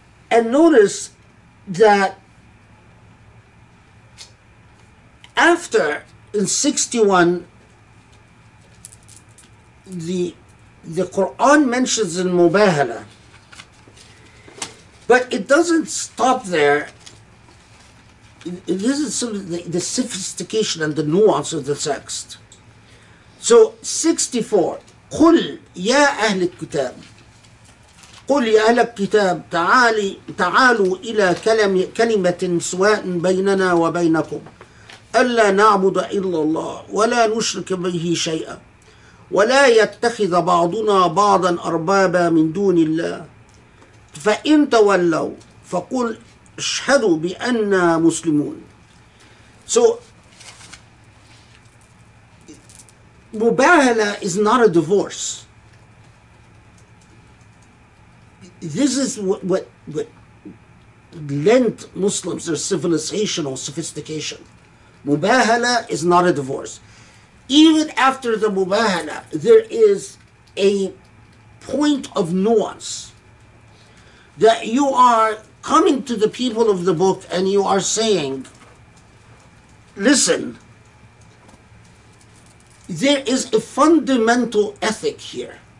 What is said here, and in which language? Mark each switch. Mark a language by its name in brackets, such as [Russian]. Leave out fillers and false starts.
[English] And notice that after in 61, the Quran mentions in Mubahala, but it doesn't stop there. This is some of the sophistication and the nuance of the text. [Arabic] So 64, قُلْ يَا أَهْلِ الْكِتَابِ قُلْ يَا أَهْلَ الْكِتَابِ تَعَالُوا إِلَى كَلِمَةٍ سُوَاءٍ بَيْنَنَا وَبَيْنَكُمْ أَلَّا نَعْبُدَ إِلَّا اللَّهِ وَلَا نُشْرِكَ بِهِ شَيْئًا وَلَا يَتَّخِذَ بَعْضُنَا بَعْضًا أَرْبَابًا مِنْ دُونِ اللَّهِ فَإِنْ تَوَلَّوْا فَقُلْ اشْهَدُوا بِأَنَّا مُسْلِمُونَ [English] So Mubahala is not a divorce. This is what lent Muslims their civilization or sophistication. Mubahala is not a divorce. Even after the Mubahala, there is a point of nuance that you are coming to the people of the book and you are saying, listen, there is a fundamental ethic here,